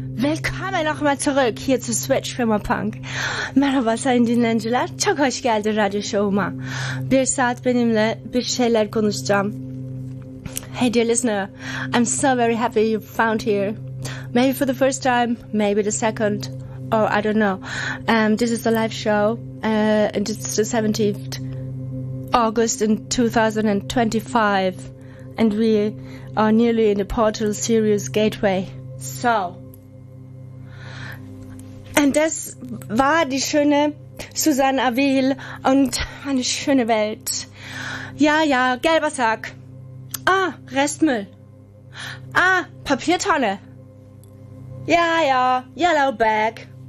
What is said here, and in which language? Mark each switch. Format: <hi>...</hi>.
<de>Willkommen nochmal zurück hier zu Switch Firma Punk.</de> <tr>Merhaba Sayın dinleyiciler. Çok hoş geldin radyo şovuma. Bir saat benimle bir şeyler konuşacağım.</tr> <en>Hey dear listener, I'm so very happy you found here. Maybe for the first time, maybe the second, or I don't know. This is the live show, and it's the 17th August in 2025. And we are nearly in the Portal Series Gateway. So.</en> <de>Und das war die schöne Suzanne Avil und eine schöne Welt. Ja, ja, gelber Sack. Ah, Restmüll. Ah, Papiertonne. Ja, ja,</de> <en>Yellow Bag.</en>